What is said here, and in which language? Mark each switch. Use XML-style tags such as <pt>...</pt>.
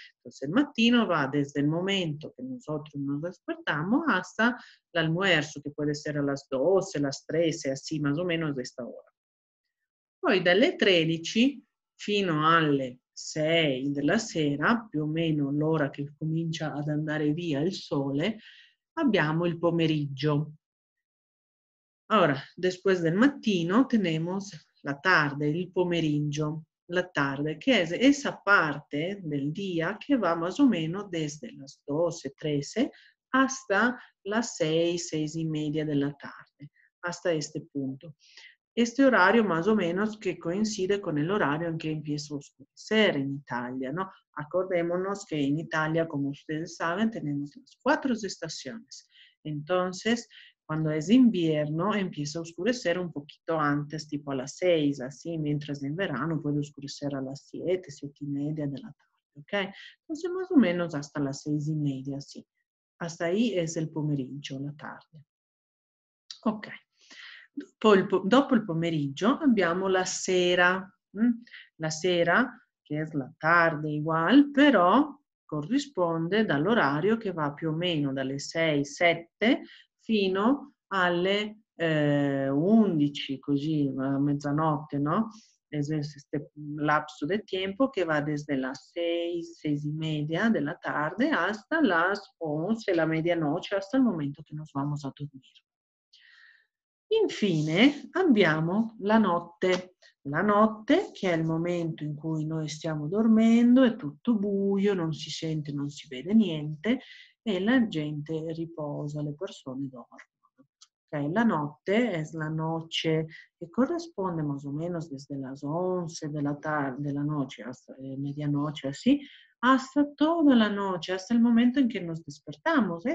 <it>Se il mattino va</it> <es>desde</es> <it>il momento che</it> <es>nosotros nos despertamos hasta l'almuerzo,</es> <it>che può essere</it> <es>a las 12, a las 13,</es> <it>sì,</it> <es>más o menos</es> <it>questa ora. Poi dalle 13 fino alle 6 della sera, più o meno l'ora che comincia ad andare via il sole, abbiamo il pomeriggio. Ora,</it> <es>después del mattino, tenemos la tarde, il pomeriggio. La tarde,</es> <it>che è</it> <es>esa parte del día che va más o meno desde las 12, 13, hasta las 6, 6 y media della tarde, hasta este punto. Este horario, más o menos,</es> <it>che coincide con l'orario in cui</it> <es>empieza a oscurecer</es> <it>in Italia,</it> <es>no? Acordémonos que en Italia, como ustedes saben, tenemos las cuatro estaciones. Entonces, cuando es invierno, empieza a oscurecer un poquito antes, tipo a las 6, así, mientras en verano puede oscurecer a las 7, 7:30 de la tarde, ¿ok? Entonces, más o menos hasta las 6:30, sí. Hasta ahí es el pomeriggio, la tarde. Ok.</es> <it>Dopo il pomeriggio abbiamo la sera. La sera, che è</it> <es>la tarde, igual,</es> <it>però corrisponde dall'orario che va più o meno dalle 6, 7 fino alle 11, così, a mezzanotte, no? Esiste un lapso del tempo che va</it> <es>desde</es> <it>le 6, 6 e media della</it> <es>tarde hasta las 11, la medianoche, hasta</es> <it>il momento che</it> <es>nos vamos a</es> <it>dormire. Infine abbiamo la notte. La notte, che è il momento in cui noi stiamo dormendo, è tutto buio, non si sente, non si vede niente e la gente riposa, le persone dormono.</it> <es>Okay,</es> <it>la notte è la noce che corrisponde</it> <es>más o menos desde las 11 de la tarde, de la noche, hasta medianoche, así, hasta toda la noche, hasta el momento en que nos despertamos.</es>